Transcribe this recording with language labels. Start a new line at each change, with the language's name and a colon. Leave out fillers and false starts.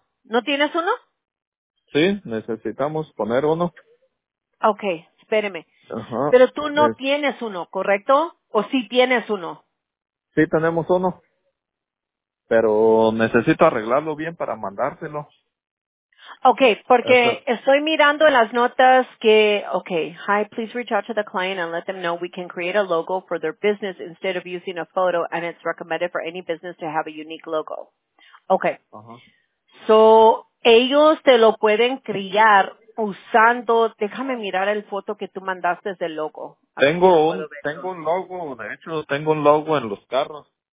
Spanish: ¿No tienes uno? Sí, necesitamos poner uno. Okay, espéreme. Pero tú no tienes uno, ¿correcto? ¿O sí tienes uno? Sí, tenemos uno. Pero necesito arreglarlo bien para mandárselo. Okay, porque estoy mirando en las notas que, okay,
English: hi, please reach out to the client and let them know we can create a logo for their business instead of using a photo, and it's recommended for any business to have a unique logo. Okay.
Spanish: So, ellos te lo pueden crear usando, déjame mirar el foto que tú mandaste del logo. Tengo un logo en los carros.